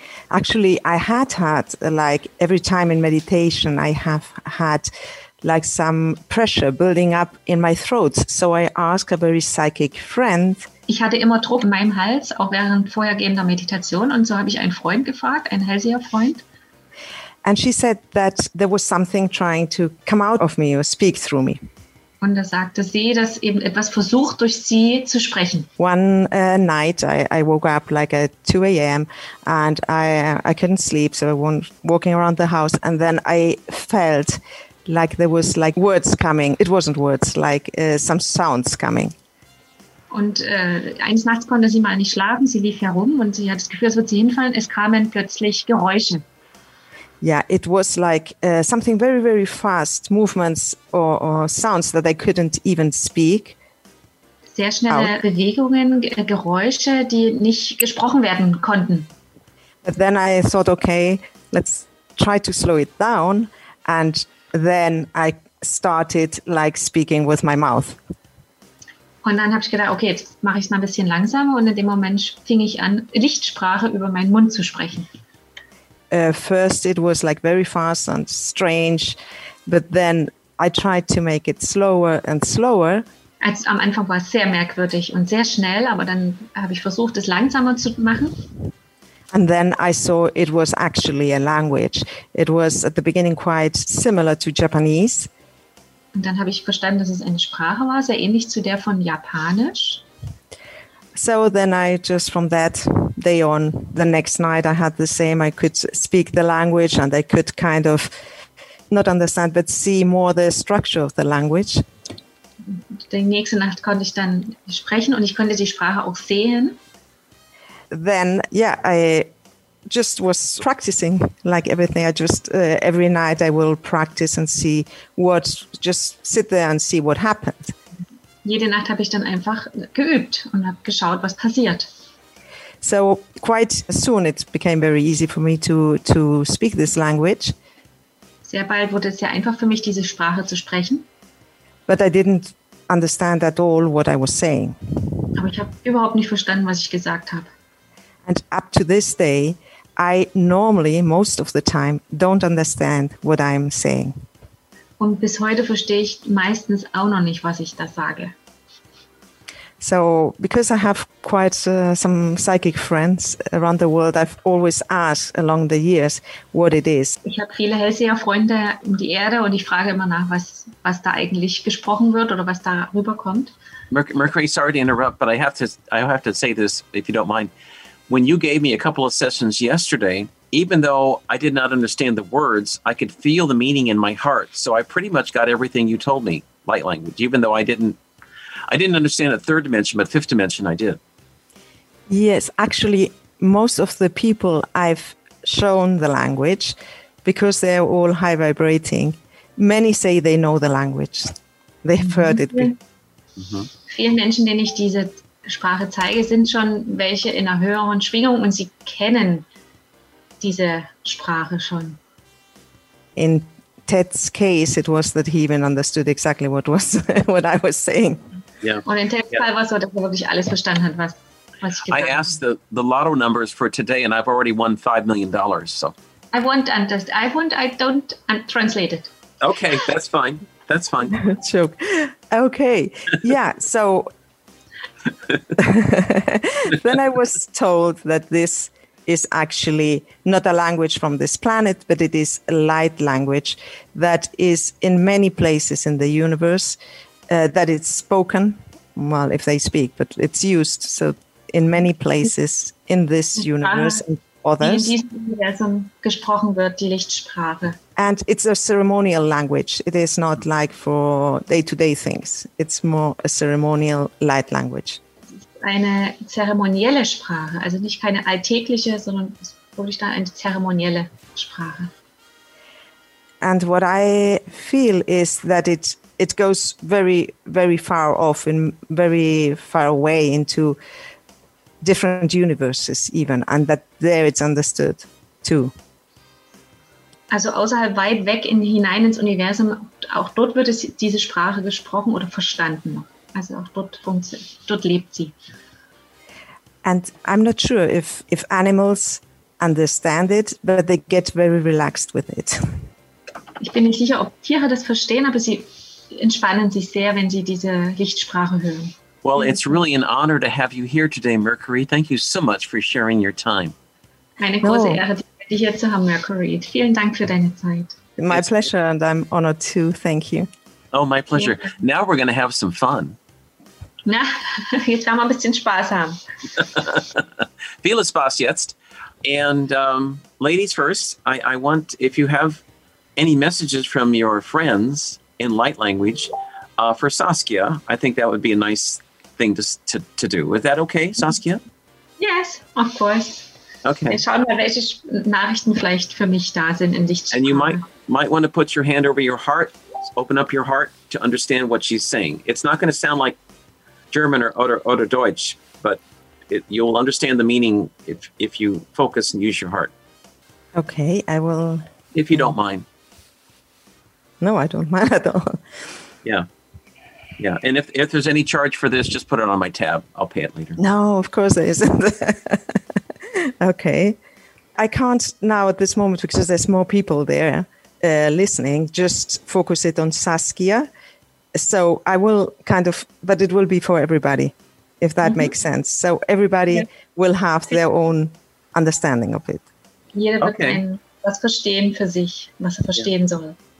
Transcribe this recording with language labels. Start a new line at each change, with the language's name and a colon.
English: Actually, I had like every time in meditation, I have had like some pressure building up in my throat. So I asked a very psychic friend.
German: Ich hatte immer Druck in meinem Hals, auch während vorhergehender Meditation. Und so habe ich einen Freund gefragt, einen Hellseher-Freund.
English: And she said that there was something trying to come out of me or speak through me.
German: Und er sagte, sie, dass eben etwas versucht, durch sie zu sprechen.
English: One night I woke up like at 2 a.m. and I couldn't sleep, so I went walking around the house. And then I felt like there was like words coming. It wasn't words, like some sounds coming.
German: Und eines Nachts konnte sie mal nicht schlafen. Sie lief herum und sie hat das Gefühl, es wird sie hinfallen. Es kamen plötzlich Geräusche.
English: Yeah, it was like something very, very fast movements or sounds that I couldn't even speak.
German: Sehr schnelle out. Bewegungen, Geräusche, die nicht gesprochen werden konnten.
English: But then I thought, okay, let's try to slow it down. And then I started like speaking with my mouth.
German: Und dann habe ich gedacht, okay, jetzt mache ich es mal ein bisschen langsamer. Und in dem Moment fing ich an, Lichtsprache über meinen Mund zu sprechen.
English: First it was like very fast and strange, but then I tried to make it slower and slower.
German: Also, am Anfang war es sehr merkwürdig und sehr schnell, aber dann habe ich versucht, es langsamer zu machen.
English: And then I saw it was actually a language. It was at the beginning quite similar to Japanese.
German: Und dann habe ich verstanden, dass es eine Sprache war, sehr ähnlich zu der von Japanisch.
English: So then I just from that day on, the next night I had the same, I could speak the language and I could kind of not understand, but see more the structure of the language.
German: Die nächste Nacht konnte ich dann sprechen und ich konnte die Sprache auch sehen.
English: Then, yeah, I just was practicing like everything. I just, every night I will practice and see what, just sit there and see what happened.
German: Jede Nacht habe ich dann einfach geübt und habe geschaut, was passiert.
English: So quite soon it became very easy for me to speak this language.
German: Sehr bald wurde es sehr einfach für mich, diese Sprache zu sprechen.
English: But I didn't understand at all what I was saying.
German: Aber ich habe überhaupt nicht verstanden, was ich gesagt habe.
English: And up to this day, I normally, most of the time, don't understand what I'm saying.
German: Und bis heute verstehe ich meistens auch noch nicht, was ich da sage.
English: So, because I have quite some psychic friends around the world, I've always asked along the years what it is.
German: Ich habe viele Hellseher-Freunde um die Erde und ich frage immer nach, was da eigentlich gesprochen wird oder was da rüberkommt.
English: Mercury, sorry to interrupt, but I have to say this, if you don't mind. When you gave me a couple of sessions yesterday, even though I did not understand the words, I could feel the meaning in my heart. So I pretty much got everything you told me, light language, even though I didn't understand a third dimension, but fifth dimension I did. Yes, actually, most of the people I've shown the language, because they're all high vibrating, many say they know the language. They've heard it. Mm-hmm.
German: Vielen Menschen, denen ich diese Sprache zeige, sind schon welche in einer höheren Schwingung und sie kennen diese Sprache schon.
English: In Ted's case, it was that he even understood exactly what I was saying. Yeah.
German: Und in Ted's Fall war es so, dass er wirklich alles verstanden hat, was ich gesagt habe.
English: I asked the lotto numbers for today and I've already won $5 million. So. I don't translate it. Okay, that's fine. That's fine. Joke. Okay. Yeah, so then I was told that this is actually not a language from this planet, but it is a light language that is in many places in the universe, that it's spoken, well, if they speak, but it's used. So in many places in this universe and others.
German: Gesprochen wird, die Lichtsprache.
English: And it's a ceremonial language. It is not like for day-to-day things. It's more a ceremonial light language.
German: Eine zeremonielle Sprache, also nicht keine alltägliche, sondern wirklich da eine zeremonielle Sprache.
English: And what I feel is that it goes very, very far off, in very far away into different universes even, and that there it's understood too.
German: Also außerhalb, weit weg in hinein ins Universum, auch dort wird es diese Sprache gesprochen oder verstanden. Also auch dort lebt sie.
English: And I'm not sure if animals understand it, but they get very relaxed with it.
German: Ich bin nicht sicher, ob Tiere das verstehen, aber sie entspannen sich sehr, wenn sie diese Lichtsprache hören.
English: Well, it's really an honor to have you here today, Mercury. Thank you so much for sharing your time.
German: Eine große Ehre, dich hier zu haben, Mercury. Vielen Dank für deine Zeit.
English: My pleasure, and I'm honored too. Thank you. Oh, my pleasure. Yeah. Now we're going to have some fun.
German: Na, jetzt werden wir ein bisschen Spaß haben. Viel Spaß jetzt.
English: And ladies first, I want, if you have any messages from your friends in light language for Saskia, I think that would be a nice thing to do. Is that okay, Saskia? Yes, of course. Okay.
German: Wir schauen mal, welche Nachrichten vielleicht für mich da sind in Lichtsprache.
English: And you might want to put your hand over your heart. Open up your heart to understand what she's saying. It's not going to sound like German or
German: oder Deutsch,
English: but you'll understand the meaning if you focus and use your heart. Okay, I will. If you don't mind. No, I don't mind at all. Yeah. Yeah. And if there's any charge for this, just put it on my tab. I'll pay it later. No, of course there isn't. Okay. I can't now at this moment because there's more people there. Listening, just focus it on Saskia. So I will kind of, but it will be for everybody, if that makes sense. So everybody will have their own understanding of it.
German: Jeder wird was verstehen für sich, was er verstehen soll.